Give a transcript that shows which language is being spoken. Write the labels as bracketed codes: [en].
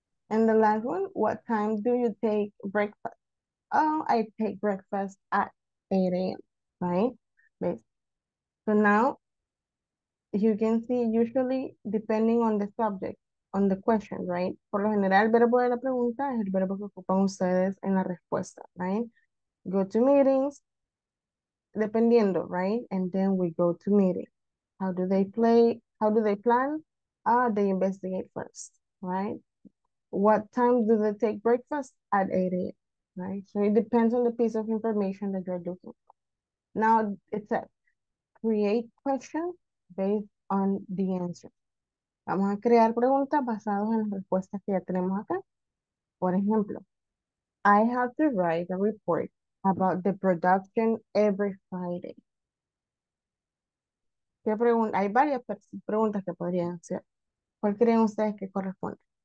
[en] And the last one, what time do you take breakfast? Oh, I take breakfast at 8 a.m., right? So now, you can see usually depending on the subject, on the question, right? [es] Por lo general, el verbo de la pregunta es el verbo que ocupan ustedes en la respuesta, [en] right? Go to meetings, [es] dependiendo, [en] right? And then we go to meeting. How do they play? How do they plan? They investigate first, right? What time do they take breakfast? At 8 a.m., right? So it depends on the piece of information that you're looking for. Now, it says, create questions based on the answer. [es] Vamos a crear preguntas basadas en las respuestas que ya tenemos acá. Por ejemplo, [en] I have to write a report about the production every Friday. [es] ¿Qué pregunta? Hay varias preguntas que podrían hacer. ¿Cuál creen ustedes que corresponde?